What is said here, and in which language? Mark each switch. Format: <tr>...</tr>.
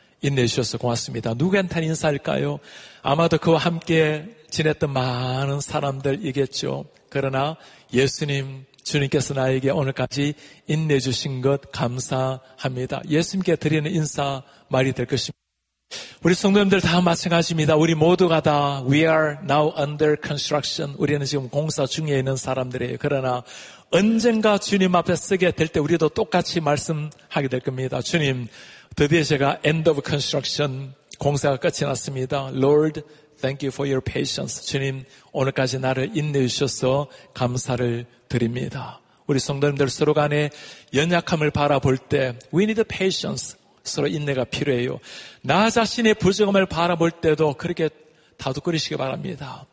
<ko>인내해 주셔서 고맙습니다. 누구한테 인사할까요? 아마도 그와 함께 지냈던 많은 사람들이겠죠. 그러나 예수님, 주님께서 나에게 오늘까지 인내해 주신 것 감사합니다. 예수님께 드리는 인사 말이 될 것입니다. 우리 성도님들 다 마찬가지입니다. 우리 모두가 다</ko> <en>We are now under construction.</en> <ko>우리는 지금 공사 중에 있는 사람들이에요. 그러나 언젠가 주님 앞에 서게 될 때 우리도 똑같이 말씀하게 될 겁니다. 주님, 드디어 제가</ko> <en>end of construction,</en> <ko>공사가 끝이 났습니다.</ko> <en>Lord, thank you for your patience.</en> <ko>주님, 오늘까지 나를 인내해 주셔서 감사를 드립니다. 우리 성도님들 서로 간에 연약함을 바라볼 때</ko> <en>We need patience.</en> <ko>서로 인내가 필요해요. 나 자신의 부족함을 바라볼 때도 그렇게 다독거리시기 바랍니다.</ko>